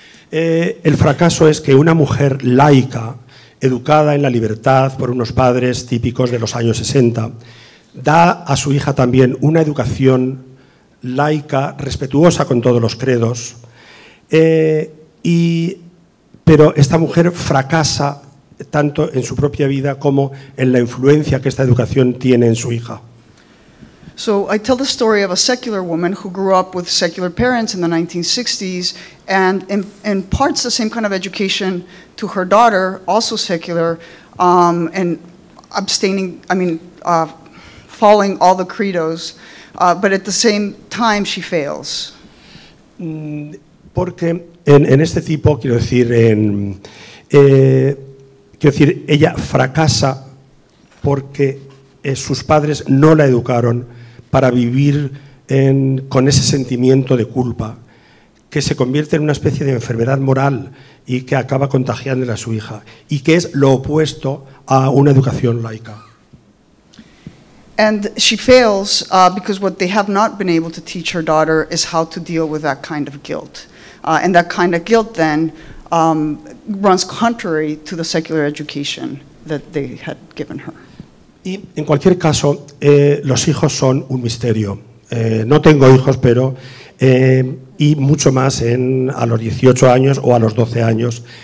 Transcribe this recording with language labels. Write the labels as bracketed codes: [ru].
[es] El fracaso es que una mujer laica, educada en la libertad por unos padres típicos de los años 60, da a su hija también una educación laica, respetuosa con todos los credos, pero esta mujer fracasa tanto en su propia vida como en la influencia que esta educación tiene en su hija. [en] So I tell the story of a secular woman who grew up with secular parents in the 1960s and imparts the same kind of education to her daughter, also secular, and following all the credos, but at the same time she fails. [es] Porque en este tipo, quiero decir, ella fracasa porque sus padres no la educaron para vivir con ese sentimiento de culpa que se convierte en una especie de enfermedad moral y que acaba contagiándole a su hija y que es lo opuesto a una educación laica. [en] And she fails because what they have not been able to teach her daughter is how to deal with that kind of guilt. And that kind of guilt then runs contrary to the secular education that they had given her. [es] Y en cualquier caso, los hijos son un misterio. No tengo hijos, pero, y mucho más a los 18 años o a los 12 años.